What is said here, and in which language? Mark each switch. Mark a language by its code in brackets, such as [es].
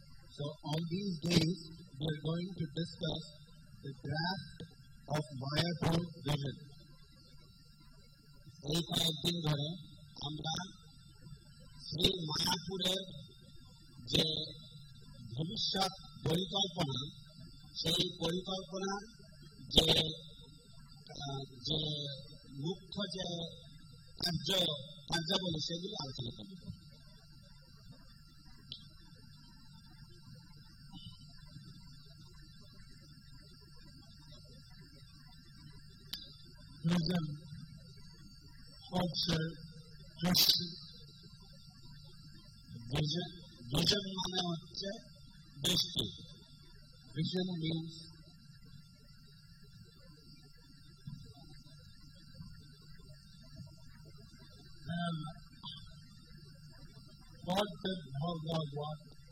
[en] So, on these days we are going to discuss the draft of Mayapur vision. [bn] এই কয়েকদিন ধরে আমরা শ্রী মায়াপুরের যে ভবিষ্যৎ পরিকল্পনা, সেই পরিকল্পনা যে যে মুখ্য যে কার্য কার্যাবলী সেগুলি আলোচনা করব। Vision হচ্ছে দৃষ্টি। Vision মানে হচ্ছে দৃষ্টি। [en] Vision means what the Bhagavad want.